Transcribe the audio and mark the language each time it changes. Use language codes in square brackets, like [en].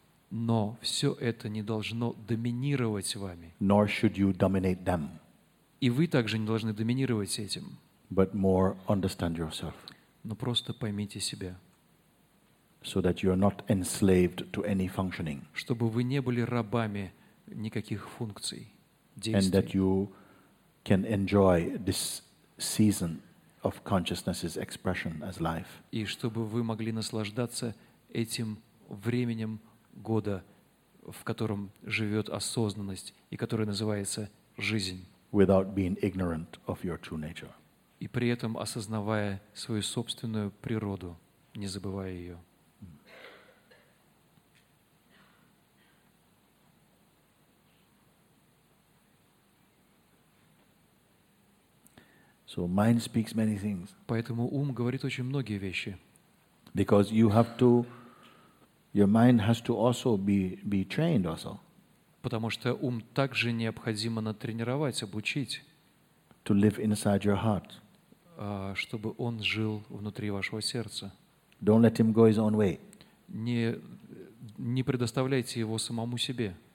[ru] Но все это не должно доминировать вами. [en] Nor should you dominate them. [ru] И вы также не должны доминировать этим. [en] But more understand yourself. [ru] Но просто поймите себя. [en] So that you are not enslaved to any functioning. [ru] Чтобы вы не были рабами никаких функций, действий. [en] And that you can enjoy this season of consciousness's expression as life. [ru] И чтобы вы могли наслаждаться этим временем года, в котором живет осознанность и которая называется жизнь. [en] Without being ignorant of your true nature. [ru] И при этом осознавая свою собственную природу, не забывая ее. [en] So mind speaks many things. [ru] Поэтому ум говорит очень многие вещи. [en] Because you have to, your mind has to also be trained also. [ru] Потому что ум также необходимо натренировать, обучить. [en] To live inside your heart. [ru] Чтобы он жил внутри вашего сердца. [en] Don't let him go his own way. [ru] Не предоставляйте его самому себе.